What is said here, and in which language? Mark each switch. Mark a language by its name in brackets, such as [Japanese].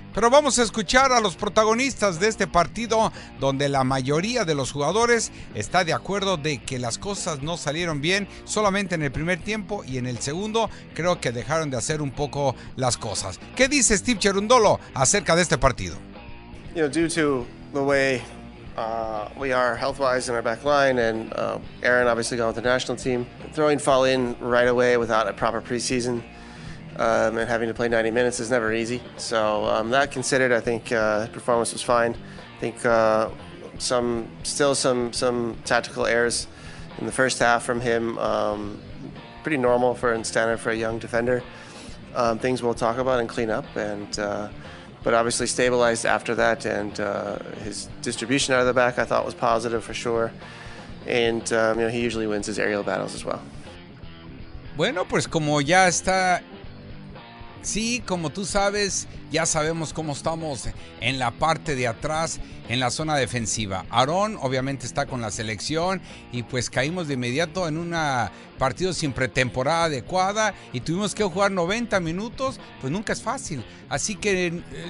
[Spanish] Pero vamos a escuchar a los protagonistas de este partido, donde la mayoría de los jugadores está de acuerdo de que las cosas no salieron bien solamente en el primer tiempo, y en el segundo creo que dejaron de hacer un poco las cosas. ¿Qué dice Steve Cherundolo acerca de este partido? [English] You know, due to the way we are health-wise in our back line, and Aaron obviously going with the national team, throwing fall in right away without a proper preseason. And having to play 90 minutes is never easy. So that considered, I think performance was fine. I think some tactical errors in the first half from him, pretty normal for and standard for a young defender. Things we'll talk about and clean up, and but obviously stabilized after that. And his distribution out of the back, I thought, was positive for sure. And you know, he usually wins his aerial battles as well. [Spanish] Bueno, pues como ya está. Sí, como tú sabes, ya sabemos cómo estamos en la parte de atrás, en la zona defensiva. Aarón obviamente está con la selección y pues caímos de inmediato en un partido sin pretemporada adecuada y tuvimos que jugar 90 minutos, pues nunca es fácil. Así que